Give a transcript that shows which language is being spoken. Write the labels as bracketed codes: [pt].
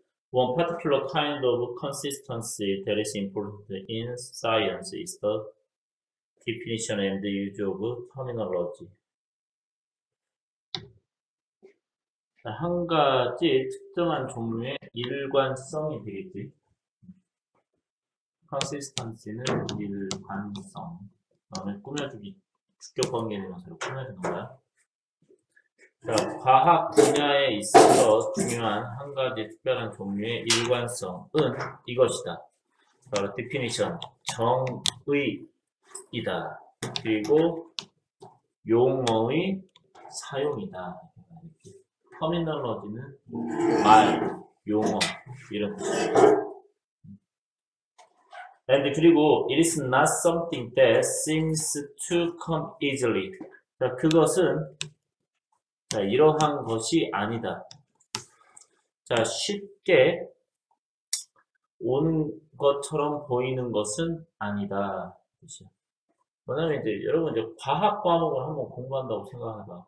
[en] One particular kind of consistency that is important in science is the definition and the use of terminology. [ko] 한 가지 특정한 종류의 일관성이 되겠지. Consistency는 일관성. 다음에 꾸며주기. 주격 관계 대명사로 꾸며주는 거야. 자, 과학 분야에 있어서 중요한 한 가지 특별한 종류의 일관성은 이것이다. 바로 definition, 정의이다. 그리고 용어의 사용이다. terminology는 말, 용어, 이런 뜻이에요. [en] And [ko] 그리고 [en] it is not something that seems to come easily. [ko] 자, 그것은 자, 이러한 것이 아니다. 자, 쉽게 오는 것처럼 보이는 것은 아니다. 왜냐면 이제 여러분 이제 과학 과목을 한번 공부한다고 생각하다.